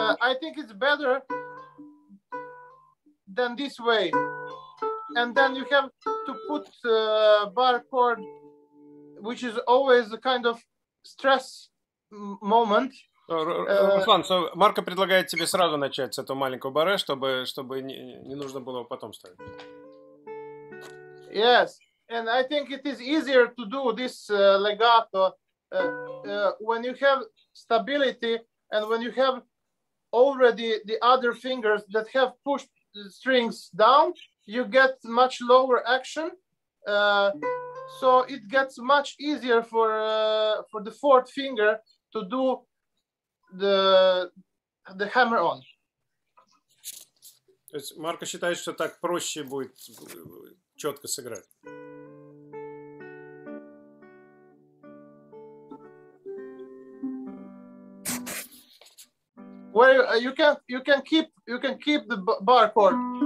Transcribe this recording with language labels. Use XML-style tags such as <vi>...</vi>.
<en>I think it's better than this way. And then you have to put bar chord, which is always a kind of stress moment.</en> <ru>Руслан, Марко предлагает тебе сразу начать с этого маленького баре, чтобы не нужно было потом ставить.</ru> <en>Yes, and I think it is easier to do this legato when you have stability and when you have already the other fingers that have pushed the strings down, you get much lower action. So it gets much easier for the fourth finger to do the hammer on.</en> <ru>То есть Марко считает, что так проще будет четко сыграть.</ru> <en>Well, you can keep the bar chord.</en>